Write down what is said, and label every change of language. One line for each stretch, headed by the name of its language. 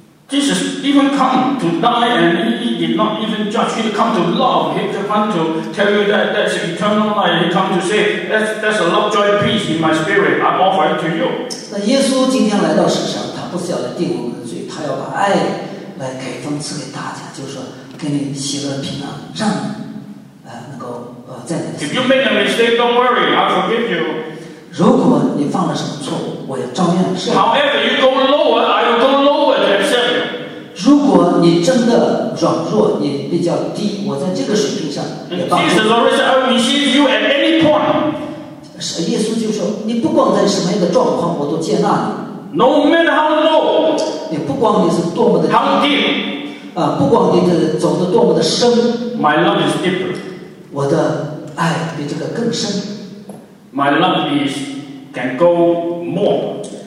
English: Jesus even come to die and he did not even judge. He come to love. He come to tell you that that's eternal life. He come to say that's a love, joy, peace in my spirit. I'm offering to you.
Chinese: 那耶稣今天来到世上，他不是要来定我们的罪，他要把爱来给分赐给大家，就是说给你喜乐、平安、让你能够在你的。
English: If you make a mistake, don't worry. I forgive you.
Chinese: 如果你犯了什么错误，我要照样赦免。
English: However, you go lower. I will go lower. To accept.
Chinese: 如果你真的软弱，你比较低，我在这个水平上也帮助。
English: Jesus always said, "I will receive you at any point."
Chinese: 耶稣就说，你不管在什么样的状况，我都接纳你。
English: No matter how low,
Chinese: 你不管你是多么的
English: how deep,
Chinese: 不管你的走得多么的深
English: ，My love is deeper.
Chinese: 我的爱比这个更深。
English: My love is can go more.